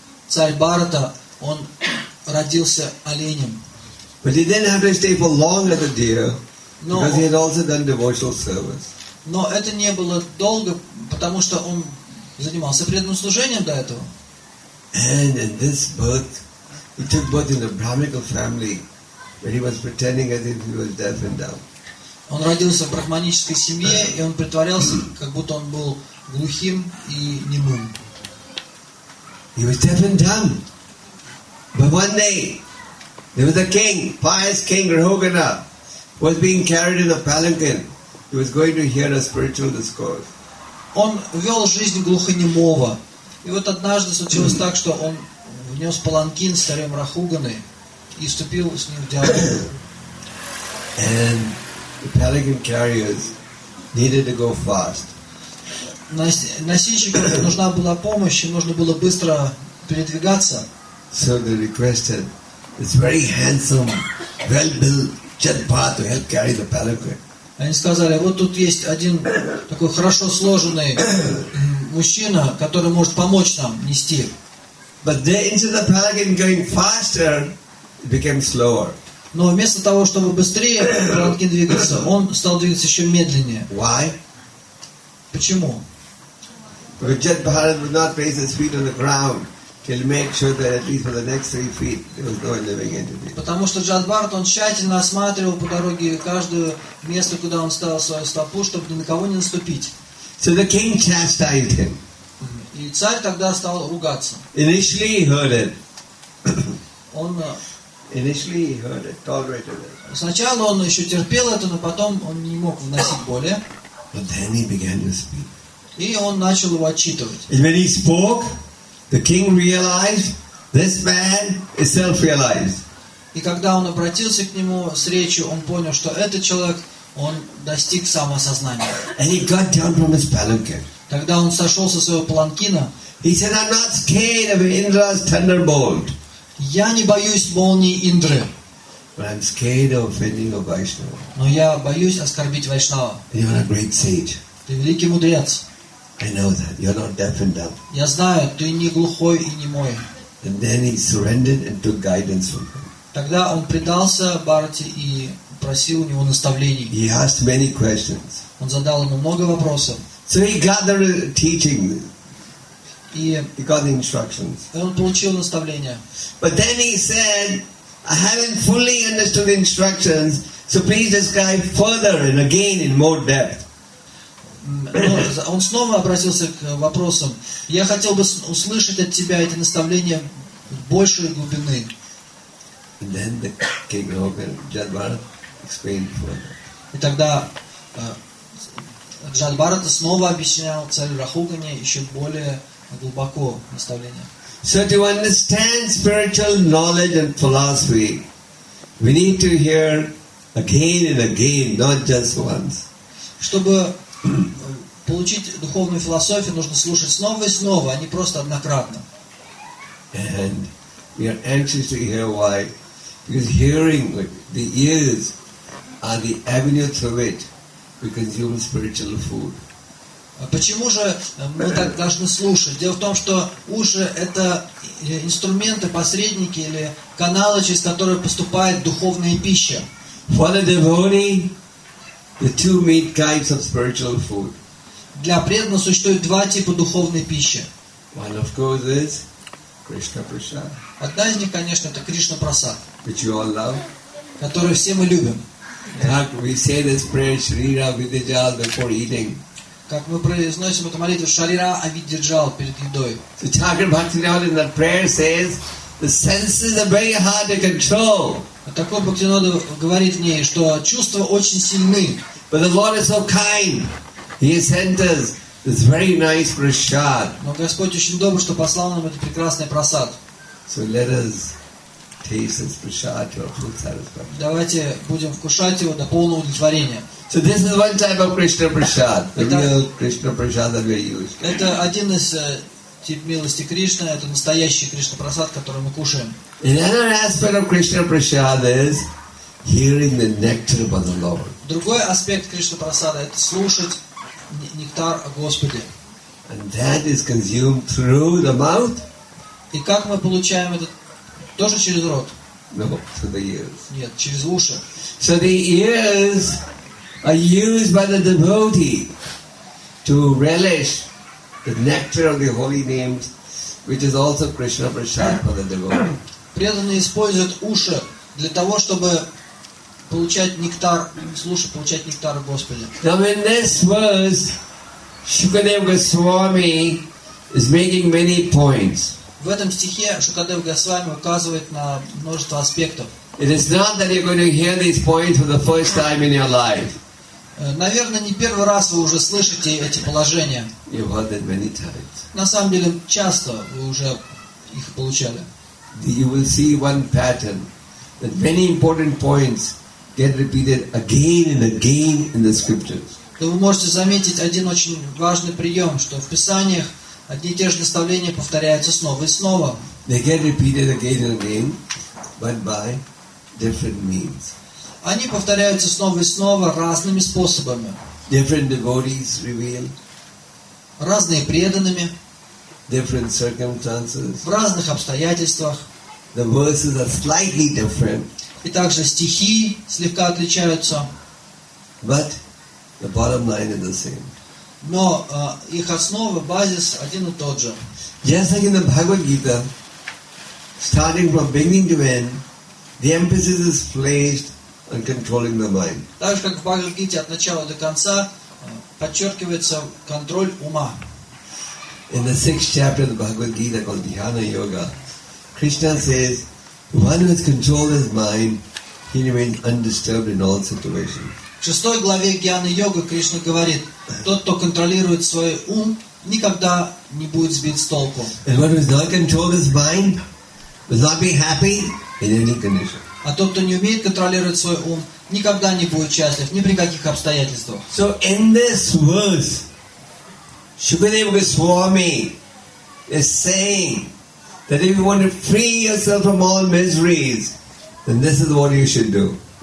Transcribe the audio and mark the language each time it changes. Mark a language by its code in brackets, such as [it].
[ru] Царь Бхарата, он родился оленем. [en] But he didn't have to stay for long as a deer, because he had also done devotional service. [ru] Но это не было долго, потому что он занимался преданным служением до этого. [en] And in this birth, he took birth in a Brahminical family, where he was pretending as if he was deaf and dumb. [ru] Он родился в брахманической семье, и он притворялся, как будто он был глухим и немым. [en] He was deaf and dumb. But one day, there was a king, pious king Rahugana, who was being carried in a palanquin. He was going to hear a spiritual discourse. [ru] Он вел жизнь глухонемого. И вот однажды случилось так, что он внес паланкин с царем Рахуганы и вступил с ним в диалог. [en] And the palanquin carriers needed to go fast. [ru] Носильщикам нужна была помощь, и нужно было быстро передвигаться. [en] So they requested this very handsome, well-built Chatpat to help carry the palanquin. [ru] Они сказали, вот тут есть один такой хорошо сложенный мужчина, который может помочь нам нести. [en] But then instead of the palanquin going faster, it became slower. [ru] Но вместо того, чтобы быстрее палатин двигался, он стал двигаться еще медленнее. [en] Why? [ru] Почему? [en] Because Jet Bharat would not place his feet on the ground till he made sure that at least for the next 3 feet there was no living entity. [ru] Потому что Jet Bharat, он тщательно осматривал по дороге каждое место, куда он ставил свою стопу, чтобы ни на кого не наступить. [en] So the king chastised him. [ru] И царь тогда стал ругаться. [en] Initially he heard it. [ru] Он [en] Initially he heard it, tolerated it. [ru] Сначала он еще терпел это, но потом он не мог вносить боли. [en] But then he began to speak. [ru] И он начал его отчитывать. [en] And when he spoke, the king realized this man is self-realized. [ru] И когда он обратился к нему с речью, он понял, что этот человек, он достиг самосознания. [en] And he got down from his palanquin. [ru] Тогда он сошел со своего паланкина. [en] He said, "I'm not scared of Indra's thunderbolt." [ru] Я не боюсь молнии Индры. [en] But I'm scared of offending a Vaishnava. [ru] Но я боюсь оскорбить Вайшнава. [en] You're a great sage. [ru] Ты великий мудрец. [en] I know that. You're not deaf and dumb. [ru] Я знаю, ты не глухой и не мой. [en] And then he surrendered and took guidance from him. [ru] Тогда он предался Бхарати и просил у него наставлений. [en] He asked many questions. [ru] Он задал ему много вопросов. [en] So he gathered teaching. [ru] И [en] he got the instructions. [ru] Он получил наставления. [en] But then he said, "I haven't fully understood the instructions, so please describe further and again in more depth." [ru] Он снова обратился к вопросам. Я хотел бы услышать от тебя эти наставления большей глубины. [en] And then the king opened Jet Bharat explained further. [ru] И тогда Jet Bharat снова объяснял царю Рахугане еще более глубоко наставление. [en] So to understand spiritual knowledge and philosophy, we need to hear again and again, not just once. [ru] Чтобы получить духовную философию, нужно слушать снова и снова, а не просто однократно. [en] And we are anxious to hear why. Because hearing with the ears are the avenue through which we consume spiritual food. [ru] Почему же мы так должны слушать? Дело в том, что уши – это инструменты, посредники или каналы, через которые поступает духовная пища. [en] For the devotee, the two main types of spiritual food. [ru] Для преданного существует два типа духовной пищи. [en] One of course is Krishna Prasad. [ru] Одна из них, конечно, это Кришна Прасад. [en] Which you all love. [ru] Которую все мы любим. [en] Так, we say this prayer, Shrira Vidyajal, before eating. [ru] Как мы произносим эту молитву Шарира Авидиджал перед едой. [en] So Chakra Bhaktivinoda in that prayer says the senses are very hard to control. [ru] Такой Бхактинода говорит в ней, что чувства очень сильны. [en] But the Lord is so kind. He sent us this very nice prasad. [ru] Но Господь очень добр, что послал нам этот прекрасный прасад. [en] So let us taste this prasad to our full satisfaction. [ru] Давайте будем вкушать его до полного удовлетворения. [en] So this is one type of Krishna Prasad, the real Krishna Prasad that we use. [ru] Это один из тип милости Кришны, это настоящий Кришна Прасад, который мы кушаем. [en] Another aspect of Krishna Prasad is hearing the nectar of the Lord. [ru] Другой аспект Кришна Прасада – это слушать нектар Господи. [en] And that is consumed through the mouth. [ru] И как мы получаем это? Тоже через рот? [en] No, through the ears. [ru] Нет, через уши. [en] So the ears are used by the devotee to relish the nectar of the holy names, which is also Krishna Prasad for the devotee. [ru] Преданные используют уши для того, чтобы получать нектар, слушать, получать нектар Господа. [en] Now in this verse, Shukadeva Goswami is making many points. [ru] В этом стихе Шукадева Госвами указывает на множество аспектов. [en] It is not that you're going to hear these points for the first time in your life. [ru] Наверное, не первый раз вы уже слышите эти положения. [en] You've heard it many times. [ru] На самом деле, часто вы уже их получали. [en] You will see one pattern that many important points get repeated again and again in the scriptures. [ru] Вы можете заметить один очень важный прием, что в писаниях одни и те же наставления повторяются снова и снова. [en] They get repeated again and again, but by different means. [ru] Они повторяются снова и снова разными способами. [en] Different devotees revealed. [ru] Разные преданными. [en] Different circumstances. [ru] В разных обстоятельствах. [en] The verses are slightly different. [ru] И также стихи слегка отличаются. [en] But the bottom line is the same. [ru] Но их основа, базис один и тот же. [en] Just like in the Bhagavad Gita, starting from beginning to end, the emphasis is placed on controlling the mind. [ru] Так же, как в Bhagavad Gita, от начала до конца подчеркивается контроль ума. [en] In the sixth chapter of the Bhagavad Gita called Dhyana Yoga, Krishna says, one who has controlled his mind, he remains undisturbed in all situations. [ru] В шестой главе Гьяны Йога Кришна говорит, тот, кто контролирует свой ум, никогда не будет сбит с толку. [en] And one who has not controlled his mind will not be happy in any condition. [ru] А тот, кто не умеет контролировать свой ум, никогда не будет счастлив, ни при каких обстоятельствах. [en] So in this verse, Shukadeva Goswami is saying that if you want to free yourself from all miseries, then this is what you should do.